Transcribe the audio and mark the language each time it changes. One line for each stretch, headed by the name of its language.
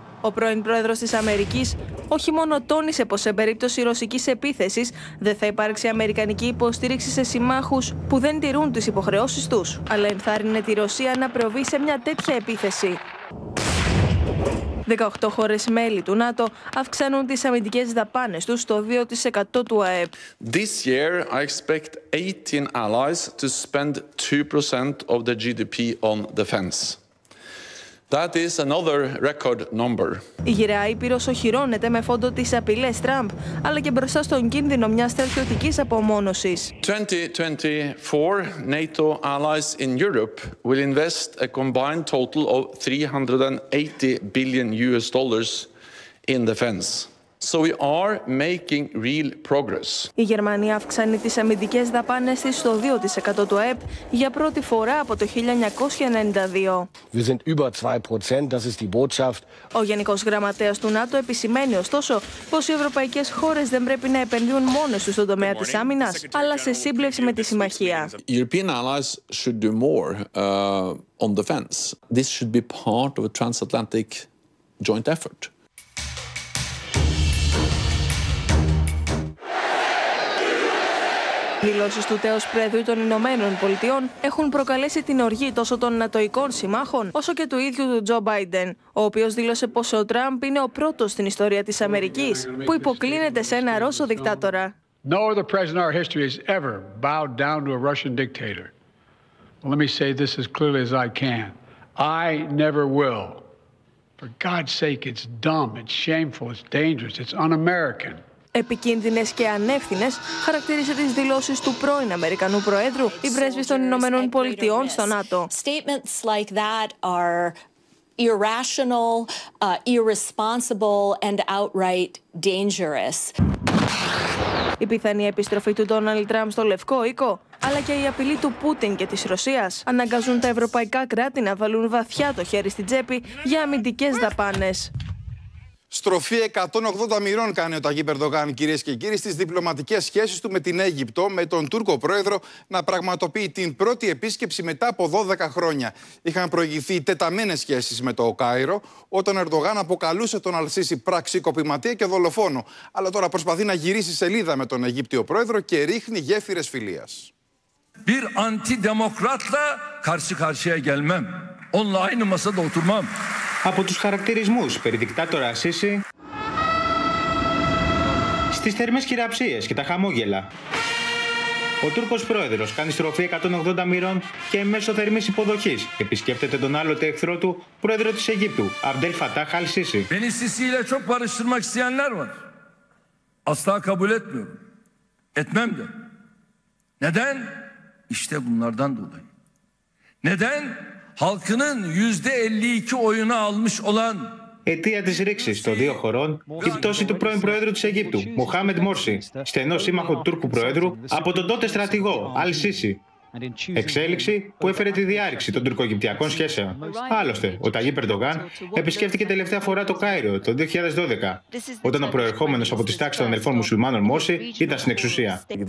Greek: Ο πρώην πρόεδρος της Αμερικής όχι μόνο τόνισε πως σε περίπτωση ρωσικής επίθεσης δεν θα υπάρξει αμερικανική υποστήριξη σε συμμάχους που δεν τηρούν τις υποχρεώσεις τους, αλλά ενθάρρυνε τη Ρωσία να προβεί σε μια τέτοια επίθεση. 18 χώρες μέλη του ΝΑΤΟ αυξάνουν τις αμυντικές δαπάνες τους στο 2% του ΑΕΠ.
English: This year I expect 18 allies to spend 2% of the GDP on defense. That is another record number.
Greek: Η γυραιά Ήπειρος οχυρώνεται με φόντο τις απειλές Τραμπ, αλλά και μπροστά στον κίνδυνο μιας στρατιωτικής απομόνωσης.
English: 2024 NATO allies in Europe will invest a combined total of $380 billion in defense. So we are making real progress.
Greek: Η Γερμανία αυξάνει τις αμυντικές δαπάνες της στο 2% του ΑΕΠ για πρώτη φορά από το 1992.
German: Wir sind über 2%, das ist die Botschaft.
Greek: Ο Γενικός Γραμματέας του ΝΑΤΟ επισημαίνει ωστόσο πως οι ευρωπαϊκές χώρες δεν πρέπει να επενδύουν μόνο στον τομέα της άμυνας, αλλά σε σύμπλευση με τη συμμαχία.
English: European allies should do more on defense. This should be part of a transatlantic joint effort.
Greek: Οι δηλώσεις του τέος Πρόεδρου των Ηνωμένων Πολιτειών έχουν προκαλέσει την οργή τόσο των νατοϊκών συμμάχων όσο και του ίδιου του Τζο Μπάιντεν, ο οποίος δήλωσε πως ο Τραμπ είναι ο πρώτος στην ιστορία της Αμερικής που υποκλίνεται σε ένα Ρώσο δικτάτορα.
English: No other president in our history has ever bowed down to a Russian dictator. Well, let me say this as clearly as I can. I never will. For God's sake, it's dumb, it's shameful, it's dangerous, it's un-American.
Greek: Επικίνδυνες και ανεύθυνες χαρακτήρισε τις δηλώσεις του πρώην Αμερικανού Προέδρου η πρέσβης των Ηνωμένων Πολιτειών στο ΝΑΤΟ.
English: Statements like that are irrational, irresponsible and outright dangerous.
Greek: Η πιθανή επιστροφή του Ντόναλντ Τραμπ στο Λευκό Οίκο, αλλά και η απειλή του Πούτιν και της Ρωσίας, αναγκάζουν τα ευρωπαϊκά κράτη να βάλουν βαθιά το χέρι στην τσέπη για αμυντικές δαπάνες. Στροφή 180 μοιρών κάνει ο Ταγίπ Ερντογάν, κυρίες και κύριοι, στις διπλωματικές σχέσεις του με την Αίγυπτο, με τον Τούρκο πρόεδρο να πραγματοποιεί την πρώτη επίσκεψη μετά από 12 χρόνια. Είχαν προηγηθεί τεταμένες σχέσεις με το Κάιρο, όταν ο Ερντογάν αποκαλούσε τον Αλ-Σίσι πραξικοπηματία και δολοφόνο. Αλλά τώρα προσπαθεί να γυρίσει σελίδα με τον Αιγύπτιο πρόεδρο και ρίχνει γέφυρες φιλίας.
Turkish: Bir antidemokratla karşı karşıya gelmem. Onunla aynı masada oturmam.
Greek: Από τους χαρακτηρισμούς περί δικτάτορα Ασίση, στις θερμές χειραψίες και τα χαμόγελα, ο Τούρκος πρόεδρος κάνει στροφή 180 μοιρών και μέσω θερμής υποδοχής επισκέπτεται τον άλλο εχθρό του, πρόεδρο της Αιγύπτου, Αμπντέλ Φατάχ Αλ-Σίση.
Turkish: Beni Sisi'yle çok barıştırmak isteyenler var. Asla kabul etmiyorum. Etmem de. Neden? İşte bunlardan dolayı. Neden? Halkının %52 oyunu almış olan
Greek: αιτία της ρήξης των δύο χωρών, η πτώση του πρώην Προέδρου της Αιγύπτου, Μοχάμεντ Μόρση, στενό σύμμαχο του Τούρκου Προέδρου, από τον τότε στρατηγό, Αλ Σίσι. Εξέλιξη που έφερε τη διάρρηξη των τουρκο-αιγυπτιακών σχέσεων. Άλλωστε, ο Ταγί Περντογκάν επισκέφθηκε τελευταία φορά το Κάιρο το 2012, όταν ο προερχόμενος από τις τάξεις των αδελφών μουσουλμάνων Μόρση ήταν στην εξουσία.